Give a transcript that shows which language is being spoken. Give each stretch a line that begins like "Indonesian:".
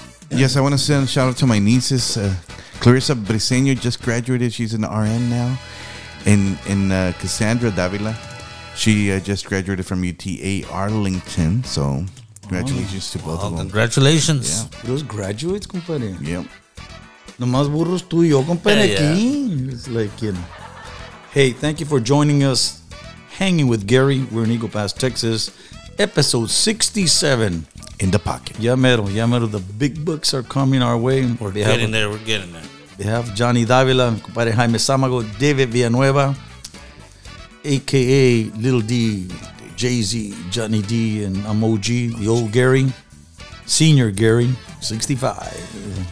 English: Yes, I want to send a shout out to my nieces. Clarissa Briseño just graduated. She's an RN now. And Cassandra Davila, she just graduated from UTA Arlington. So congratulations to both of them. Congratulations. Yeah. Those graduates, compadre. Yep.
Spanish: No más burros tú y yo, compadre.
English: It's like, you know. Hey, thank you for joining us. Hanging with Gary. We're in Eagle Pass, Texas. Episode 67 in the pocket.
Spanish: Ya mero.
English: The big books are coming our way. We're getting there. They have Johnny Davila, compadre Jaime Samago, David Villanueva, aka Little D, Jay-Z, Johnny D, and Emoji, the old Gary, Senior Gary, 65.